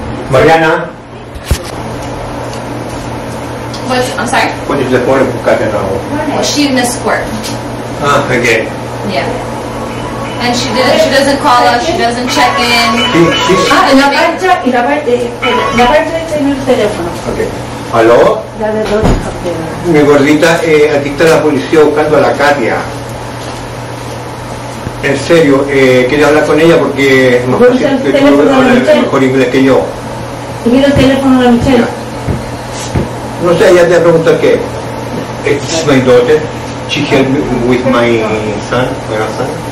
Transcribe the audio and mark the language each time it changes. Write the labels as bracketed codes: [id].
[en] Mariana? What? I'm sorry? What is the point of cutting out? Well, she missed court. Ah, again. Yeah. And she doesn't call us, she doesn't check in. Okay. [es] Hello? Mi gordita, aquí está la policía buscando a la Katia. En serio, quería hablar con ella porque es más fácil que tú hablas mejor inglés que yo. ¿Y mi teléfono a la Michelle? No sé, ella te va a preguntar qué. [en] It's my daughter. She helped me with my son, my son.